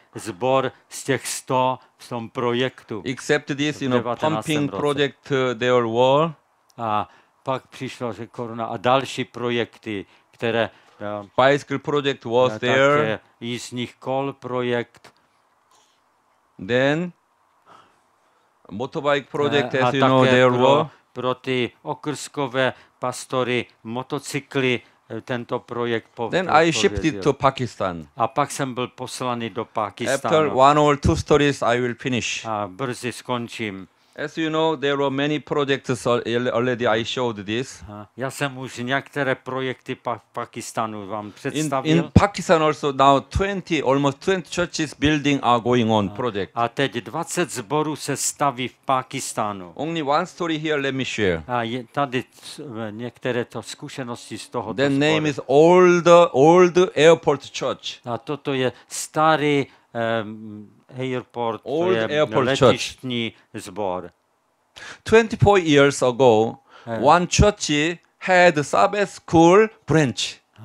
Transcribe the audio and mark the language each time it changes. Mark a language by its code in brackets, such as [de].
[cs] sbor z těch 100 v tom projektu. [en] Except this, you know, pumping project their wall. [cs] A pak přišla že korona a další projekty, které [en] bicycle project was there. [cs] Jízdní kol projekt. [en] Then motorbike project, as you know, their wall. [cs] Pro ty okrskové pastory motocykly tento projekt povedl. [en] Then I shipped it to Pakistan. [cs] A pak jsem byl poslaný do Pakistánu. [en] After one or two stories I will finish. [cs] A brzy skončím. [en] As you know, there were many projects already I showed this. [cs] Já jsem už některé projekty Pakistánu vám představil. [en] In Pakistan also now 20, almost 20 churches building are going on project. [cs] A teď 20 zborů se staví v Pakistánu. [en] Only one story here, let me share. [cs] A je tady některé to zkušenosti z toho. [en] The name is Old Airport Church. [cs] A toto je starý airport, [en] old [cs] to je [en] airport [cs] letištní zbor. [en] 24 years ago, one church had Sabbath school branch.